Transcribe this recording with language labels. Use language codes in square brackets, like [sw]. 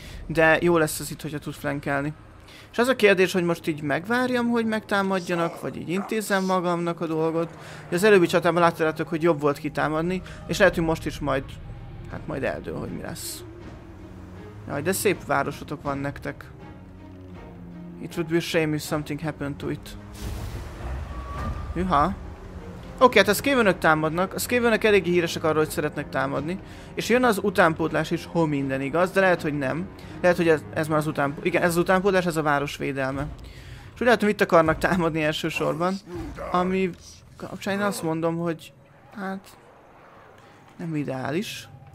[hu] De jó lesz az itt, hogyha tud flankelni. És az a kérdés, hogy most így megvárjam, hogy megtámadjanak, vagy így intézzem magamnak a dolgot. De az előbbi csatában láttátok, hogy jobb volt kitámadni, és lehet, hogy most is majd, hát majd eldől, hogy mi lesz. Jaj, de szép városotok van nektek. [en] It would be a shame if something happened to it. [hu] Hűha. Oké, hát a Skavenök támadnak. A Skavenök eléggé híresek arról, hogy szeretnek támadni. És jön az utánpótlás is, ha minden igaz, de lehet, hogy nem. Lehet, hogy ez már az utánpótlás. Igen, ez az utánpótlás, ez a város védelme. És úgy látom, itt akarnak támadni elsősorban. Ami kapcsán én azt mondom, hogy hát nem ideális.